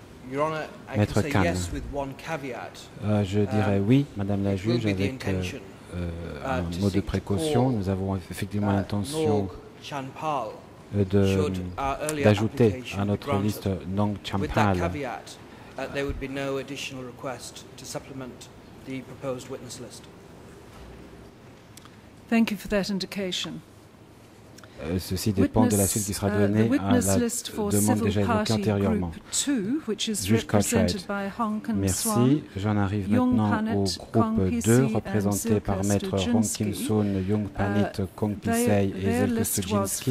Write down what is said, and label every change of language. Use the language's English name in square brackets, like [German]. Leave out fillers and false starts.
[English] Your Honor, I [French] Maître [English] can say yes with one caveat. [French] Je dirais oui, Madame la juge, avec un mot de précaution. Nous avons effectivement l'intention d'ajouter à notre liste Nong Champal. [English] There would be no additional request to supplement the proposed witness list. Thank you for that indication. [French] Ceci dépend de la suite qui sera donnée à la demande déjà évoquée antérieurement. Juge Cartwright. Merci. J'en arrive maintenant au groupe 2, représenté par Maître Hong Kim Soon, Yung Panit, Kong Pisei et Zelke Sujinski.